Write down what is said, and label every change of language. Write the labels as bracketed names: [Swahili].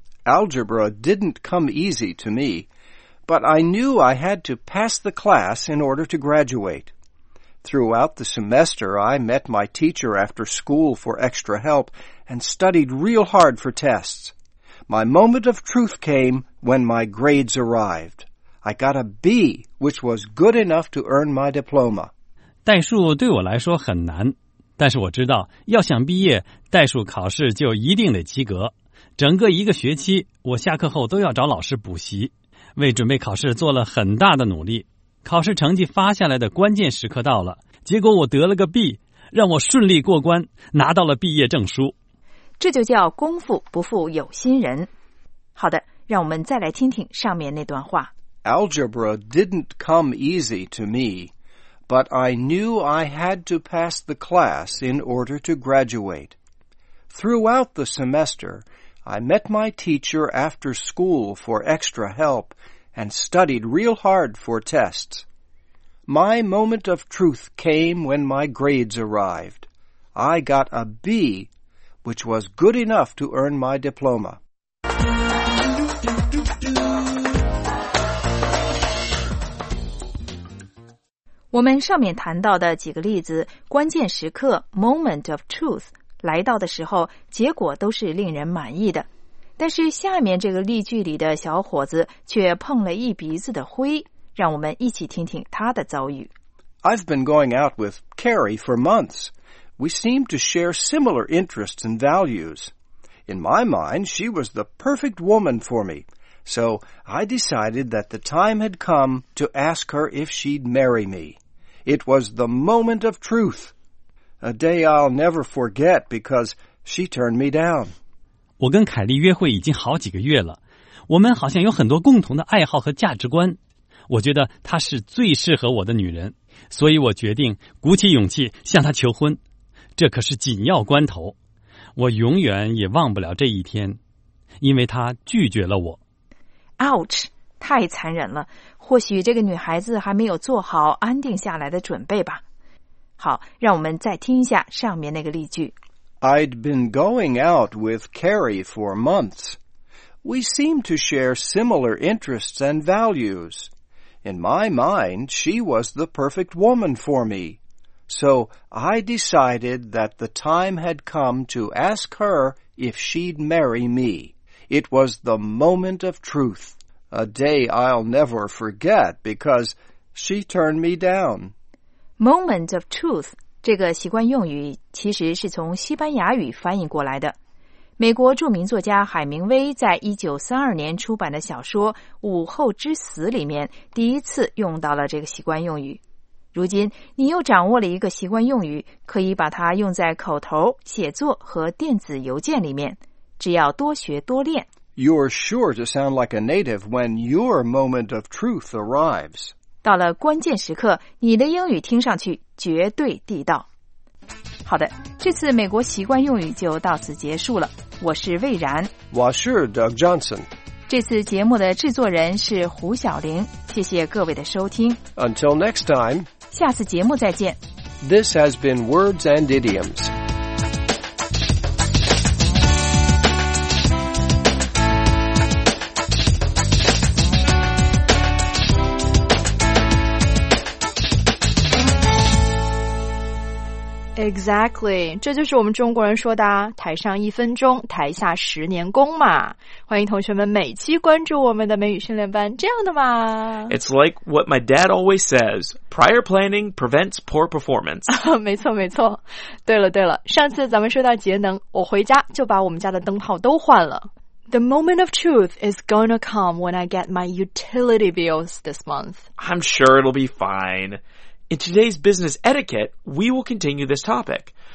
[English] Algebra didn't come easy to me, but I knew I had to pass the class in order to graduate. Throughout the semester, I met my teacher after school for extra help and studied real hard for tests. My moment of truth came when my grades arrived. I got a B, which was good enough to earn my diploma. [Chinese] 代数对我来说很难，但是我知道，要想毕业，代数考试就一定得及格。整个一个学期，我下课后都要找老师补习，为准备考试做了很大的努力。考试成绩发下来的关键时刻到了，结果我得了个 B， 让我顺利过关，拿到了毕业证书。这就叫功夫不负有心人。好的，让我们再来听听上面那段话。 [English] Algebra didn't come easy to me, but I knew I had to pass the class in order to graduate. Throughout the semester,I met my teacher after school for extra help and studied real hard for tests. My moment of truth came when my grades arrived. I got a B, which was good enough to earn my diploma. [Chinese] 我们上面谈到的几个例子，关键时刻 [English] moment of truth [Chinese] 来到的时候，结果都是令人满意的。但是下面这个例句里的小伙子却碰了一鼻子的灰，让我们一起听听他的遭遇。 [English] I've been going out with Carrie for months. We seem to share similar interests and values. In my mind, she was the perfect woman for me. So I decided that the time had come to ask her if she'd marry me. It was the moment of truth. A day I'll never forget because she turned me down. [Chinese] 我跟凯莉约会已经好几个月了，我们好像有很多共同的爱好和价值观。我觉得她是最适合我的女人，所以我决定鼓起勇气向她求婚。这可是紧要关头，我永远也忘不了这一天，因为她拒绝了我。 Ouch， 太残忍了，或许这个女孩子还没有做好安定下来的准备吧。好，让我们再听一下上面那个例句。 [English] I'd been going out with Carrie for months. We seem to share similar interests and values. In my mind, she was the perfect woman for me. So I decided that the time had come to ask her if she'd marry me. It was the moment of truth. A day I'll never forget because she turned me down. Moment of truth. [Chinese] 这个习惯用语其实是从西班牙语翻译过来的。美国著名作家海明威在1942年出版的小说《午后之死》里面第一次用到了这个习惯用语。如今你又掌握了一个习惯用语，可以把它用在口头、写作和电子邮件里面，只要多学多练。 [English] You're sure to sound like a native when your moment of truth arrives. [Chinese] 到了关键时刻，你的英语听上去绝对地道。好的，这次美国习惯用语就到此结束了。我是魏然。我是 Doug Johnson。这次节目的制作人是胡晓玲。谢谢各位的收听。 [English] Until next time。 [Chinese] 下次节目再见。 [English] This has been Words and Idioms. [Chinese] Exactly， 这就是我们中国人说的台上一分钟，台下十年功嘛。欢迎同学们每期关注我们的美语训练班，这样的嘛。 [English] It's like what my dad always says, prior planning prevents poor performance. [Chinese] 没错没错。对了对了，上次咱们说到节能，我回家就把我们家的灯泡都换了。 [English] The moment of truth is gonna come when I get my utility bills this month. I'm sure it'll be fine. In today's business etiquette, we will continue this topic.